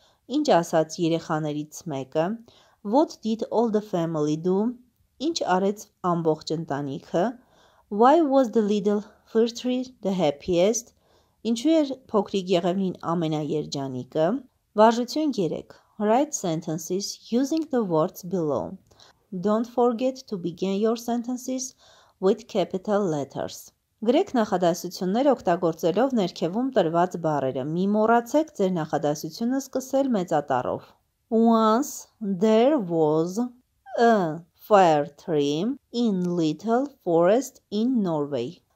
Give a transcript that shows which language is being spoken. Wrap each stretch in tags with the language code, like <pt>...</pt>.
<hy>Ինչ ասաց երեխաներից մեկը։</hy> <en>What did all the family do?</en> <hy>Ինչ արեց ամբողջ ընտանիքը։</hy> <en>Why was the little fir tree the happiest?</en> <hy>Ինչու էր փոքրիկ եղևնին ամենաերջանիկը։ Վարժություն 3.</hy> <en>Write sentences using the words below. Don't forget to begin your sentences with capital letters.</en> <hy>Գրեք նախադասություններ օգտագործելով ներքևում տրված բառերը։ Մի մոռացեք ձեր նախադասությունը սկսել մեծատառով։</hy> <en>Once there was a fir tree in little forest in Norway.</en>